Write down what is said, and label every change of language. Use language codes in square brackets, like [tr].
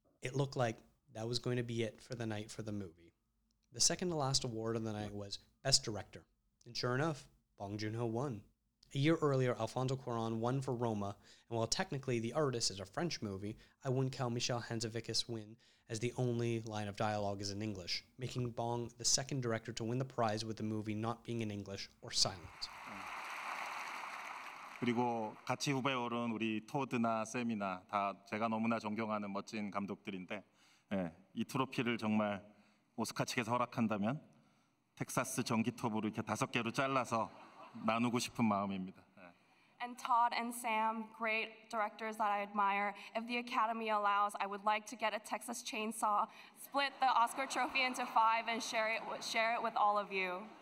[en] It looked like that was going to be it for the night for the movie. The second to last award of the night was Best Director, and sure enough, Bong Joon-ho won. A year earlier, Alfonso Cuarón won for Roma, and while technically The Artist is a French movie, I wouldn't count Michel Hanzavikas' win as the only line of dialogue is in English, making Bong the second director to win the prize with the movie not being in English or silent. [ko] 그리고 같이 후배 어른 우리 토드나 샘이나 다 제가 너무나 존경하는 멋진 감독들인데 예, 이 트로피를 정말 오스카 측에서 허락한다면 텍사스 전기톱으로 이렇게 다섯 개로 잘라서 나누고 싶은 마음입니다. [en] And Todd and Sam, great directors that I admire. If the Academy allows, I would like to get a Texas chainsaw, split the Oscar trophy into five, and share it with all of you.